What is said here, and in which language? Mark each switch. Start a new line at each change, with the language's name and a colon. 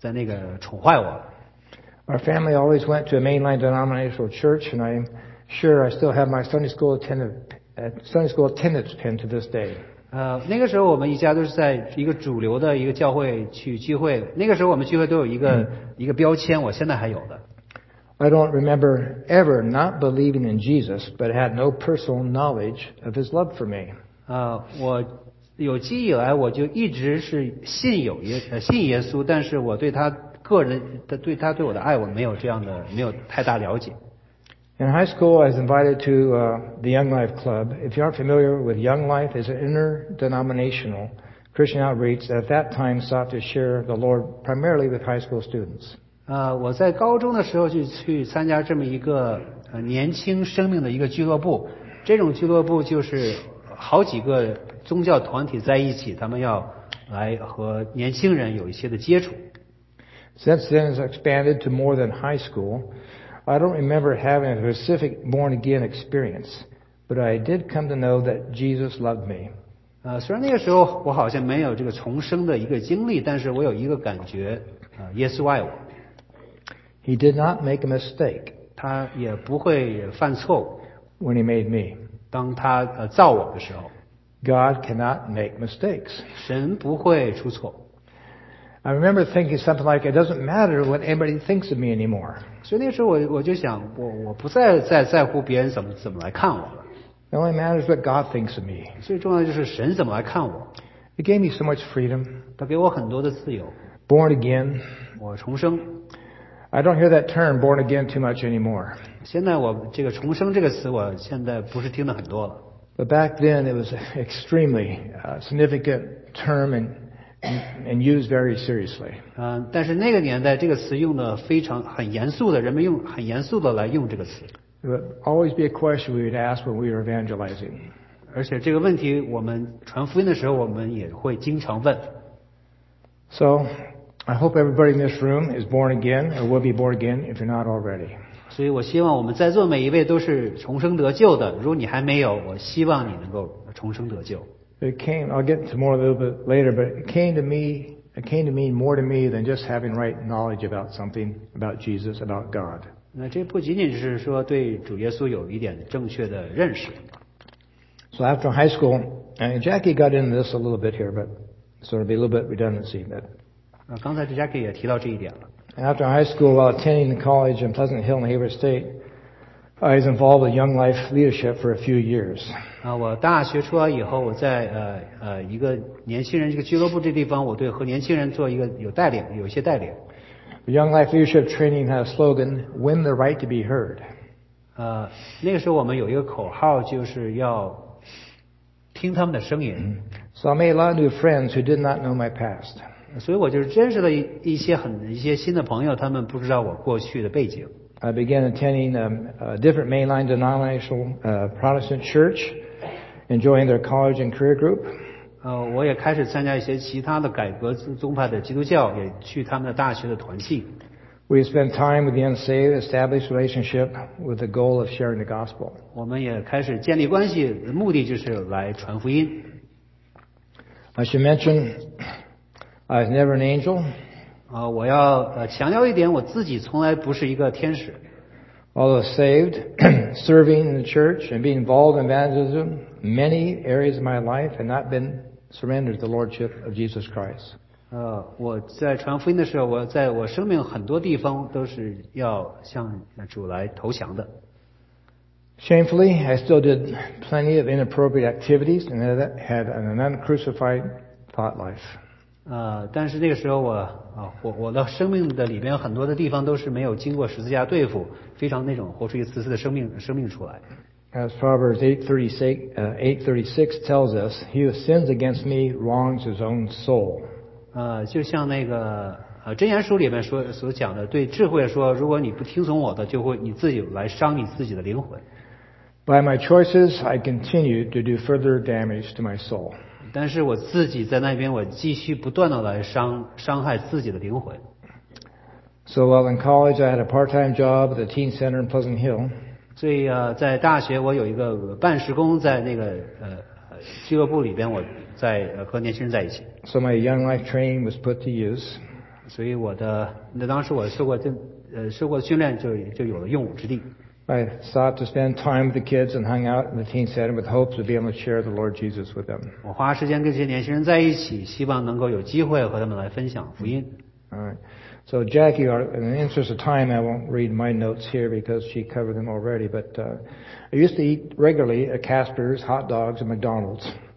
Chinese: 我上一年级的时候，我母亲去全时间工作，然后我祖母住在旁边，她就完全了在那个宠坏我。
English: Our family always went to a mainline denominational church, and I'm sure I still have my Sunday school attendance pin to this day.
Chinese: 那个时候我们一家都是在一个主流的一个教会去聚会，那个时候我们聚会都有一个标签，我现在还有的。
English: I don't remember ever not believing in Jesus, but had no personal knowledge of his love for me.
Chinese: 我有记忆以来，我就一直是信我的爱，我没有太大了解。
English: In high school, I was invited to the Young Life Club. If you aren't familiar with Young Life, it's an interdenominational Christian outreach that at that time sought to share the Lord primarily with high school students.
Chinese: 我在高中的时候就去参加这么一个年轻生命的一个俱乐部，这种俱乐部就是好几个宗教团体在一起，他们要来和年轻人有一些的接触。
English: Since then it's expanded to more than high school. I don't remember having a specific born again experience, but I did come to know that Jesus loved me.
Chinese: 虽然那个时候我好像没有这个重生的一个经历，但是我有一个感觉，耶稣爱我。
English: He did not make a mistake.
Chinese: 他也不会犯错误。
English: When he made me.
Chinese: 当他造我的时候。
English: God cannot make mistakes.
Chinese: 神不会出错。
English: I remember thinking something like, it doesn't matter what anybody thinks of me anymore.
Chinese: 所以那时候 我就想 我不再 在乎别人怎么来看我了。
English: It only matters what God thinks of me.
Chinese: 最重要的就是神怎么来看我。
English: It gave me so much freedom.
Chinese: 他给我很多的自由。
English: Born again.
Chinese: 我重生。
English: I don't hear that term, born again, too much anymore.
Chinese: 现在我这个重生这个词我现在不是听得很多了。
English: But back then, it was an extremely significant term and used very seriously.
Chinese: 但是那个年代这个词用的非常很严肃的，人们用很严肃的来用这个词。
English: It would always be a question we would ask when we were evangelizing.
Chinese: 而且这个问题我们传福音的时候我们也会经常问。
English: So, I hope everybody in this room is born again or will be born again if you're not already.
Chinese: 所以我希望我们在座每一位都是重生得救的，如果你还没有，我希望你能够重生得救。
English: It came, I'll get to more a little bit later, but it came to mean more to me than just having right knowledge about something, about Jesus, about God.
Chinese: 那这不仅仅是说对主耶稣有一点正确的认识。
English: So after high school, and Jackie got into this a little bit here, but sort of be a little bit redundancy, but.
Chinese: 刚才 Jackie 也提到这一点了。
English: After high school, while attending college in Pleasant Hill in Hayward State,I was involved with Young Life Leadership for a few years.
Chinese: 我大学出来以后，我在一个年轻人这个俱乐部这地方，我对和年轻人做一个有带领，有一些带领。
English: Young Life Leadership Training had a slogan, "Win the right to be heard."
Chinese: 那个时候我们有一个口号，就是要听他们的声音。
English: So I made a lot of new friends who did not know my past.
Chinese: 所以我就认识了一些新的朋友，他们不知道我过去的背景。
English: I began attending a different mainline denominational Protestant church, enjoying their college and career group.
Chinese: 我也开始参加一些其他的改革宗派的基督教，也去他们的大学的团契。
English: We spent time with the unsaved, established relationship with the goal of sharing the gospel.
Chinese: 我们也开始建立关系，目的就是来传福音。
English: I should mention, I was never an angel.
Chinese: 我要强调一点，我自己从来不是一个天使。
English: Although saved, serving in the church and being involved in evangelism, many areas of my life have not been surrendered to the Lordship of Jesus Christ.
Chinese: 我在传福音的时候，我在我生命很多地方都是要向主来投降的。
English: Shamefully, I still did plenty of inappropriate activities and had an uncrucified thought life.
Chinese: 但是那个时候我的生命的里边很多的地方都是没有经过十字架对付，非常那种活出一次次的生命出来。
English: As Proverbs 8:36 tells us, he who sins against me wrongs his own soul.
Chinese: 就像那个箴言书里面所讲的，对智慧说，如果你不听从我的，就会你自己来伤你自己的灵魂。
English: By my choices, I continue to do further damage to my soul.
Chinese: 但是我自己在那边，我继续不断的来伤害自己的灵魂。
English: So while in college, I had a part-time job at the teen center in Pleasant Hill.
Chinese: 所以在大学我有一个半时工在那个俱乐部里边，我在和年轻人在一起。
English: So my young life training was put to use.
Chinese: 所以当时我受过训练就有了用武之地。
English: I sought to spend time with the kids and hung out in the teen center with hopes of being able to share the Lord Jesus with them.
Chinese: 我花时间跟这些年轻人在一起，希望能够有机会和他们来分享福音。
English: All right. So Jackie, in the interest of time, I won't read my notes here because she covered them already, but I used to eat regularly at Casper's, hot dogs, and McDonald's.